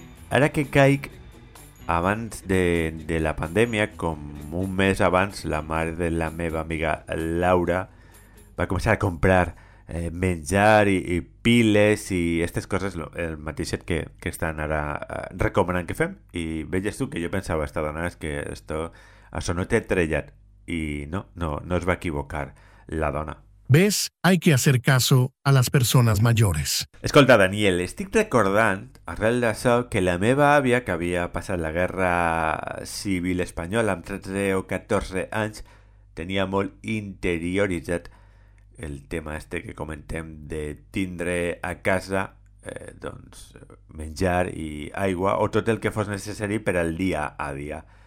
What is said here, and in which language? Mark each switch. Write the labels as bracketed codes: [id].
[ca] Ara que caic, abans de la pandèmia, com un mes abans, la mare de la meva amiga Laura... va començar a comprar menjar i piles i aquestes coses, el mateix que estan ara recomanant que fem. I veies tu que jo pensava, esta dona, és que això no t'he trellat. I no es va equivocar la dona. [es] ¿Ves? Hay que hacer caso a las personas mayores. [ca] Escolta, Daniel, estic recordant, arrel d'això, que la meva àvia, que havia passat la guerra civil espanyola amb 13 o 14 anys, tenia molt interioritzat el tema este que comentem de tindre a casa doncs menjar i aigua o tot el que fos necessari per al dia a dia.